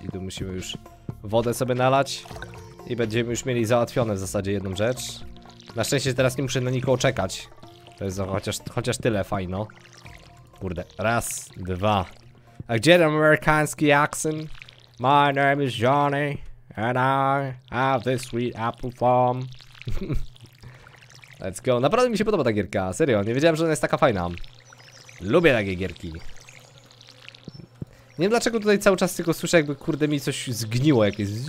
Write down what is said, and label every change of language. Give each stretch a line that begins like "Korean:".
Polish: I tu musimy już wodę sobie nalać. I będziemy już mieli załatwione w zasadzie jedną rzecz. Na szczęście teraz nie muszę na nikogo czekać. To jest chociaż tyle, fajno. Kurde, raz, 2. A gdzie ten amerykański akcent?
English: My name is Johnny. And I have this sweet apple farm. Let's go.
Polish: Naprawdę mi się podoba ta gierka, serio. Nie wiedziałem, że ona jest taka fajna. Lubię takie gierki. Nie wiem dlaczego tutaj cały czas tylko słyszę, jakby kurde mi coś zgniło jakieś.